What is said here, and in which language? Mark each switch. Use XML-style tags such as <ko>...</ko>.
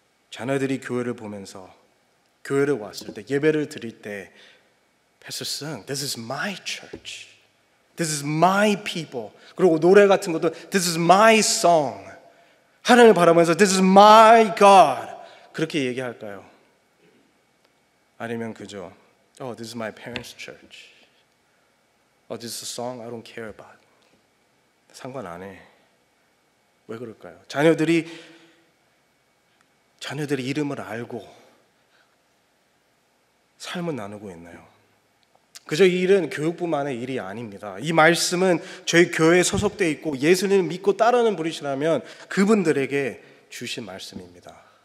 <ko>자녀들이 교회를 보면서, 교회를 왔을 때, 예배를 드릴 때,</ko> <en>Pastor Sung, this is my church. This is my people.</en> <ko>그리고 노래 같은 것도</ko> <en>This is my song.</en> <ko>하늘을 바라보면서</ko> <en>This is my God.</en> <ko>그렇게 얘기할까요?</ko> <en>아니면 그저 Oh, this is my parents' church. Oh, this is a song I don't care about.</en> <ko>상관 안 해. 왜 그럴까요? 자녀들이 이름을 알고 삶을 나누고 있나요? 그저 이 일은 교육부만의 일이 아닙니다. 이 말씀은 저희 교회에 소속되어 있고 예수님을 믿고 따르는 분이시라면 그분들에게 주신 말씀입니다.</ko>